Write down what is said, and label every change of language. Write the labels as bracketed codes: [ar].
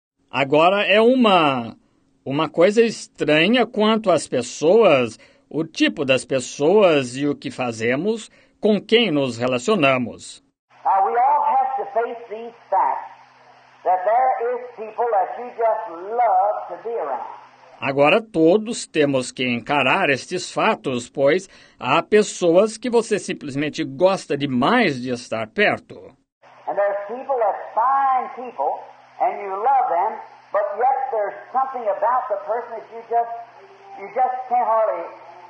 [pt] Agora é uma coisa estranha quanto às pessoas. O tipo das pessoas e o que fazemos, com quem nos relacionamos. [en] We all have to face these facts, that there is people that you just love to be around. [pt] Agora todos temos que encarar estes fatos, pois há pessoas que você simplesmente gosta demais de estar perto. [en] And there are people that find people, and you love them, but yet there's something about the person that you just can't hardly...